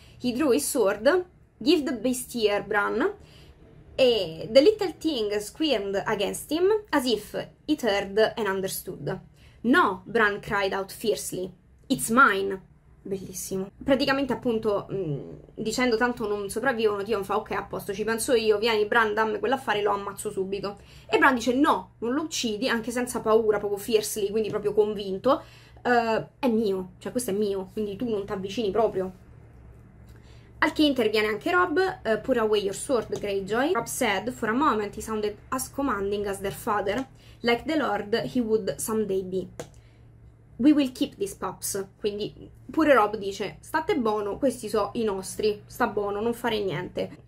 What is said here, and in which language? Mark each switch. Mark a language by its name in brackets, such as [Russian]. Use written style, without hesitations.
[English] He drew his sword, give the beast here, Bran. E the little thing squirmed against him as if it heard and understood. No, Bran cried out fiercely, it's mine. [Italian] Bellissimo. Praticamente, appunto, dicendo tanto non sopravvivono, Tion fa: ok, a posto, ci penso io. Vieni, Bran, dammi quell'affare, lo ammazzo subito. E Bran dice: no, non lo uccidi, anche senza paura, proprio fiercely, quindi proprio convinto. È mio, cioè questo è mio, quindi tu non ti avvicini proprio. Al che interviene anche Rob: [English] put away your sword, [Italian] Greyjoy. [English] Rob said, for a moment he sounded as commanding as their father, like the Lord he would someday be. We will keep these pups. [Italian] Quindi pure Rob dice: state buono, questi sono i nostri, sta buono, non fare niente.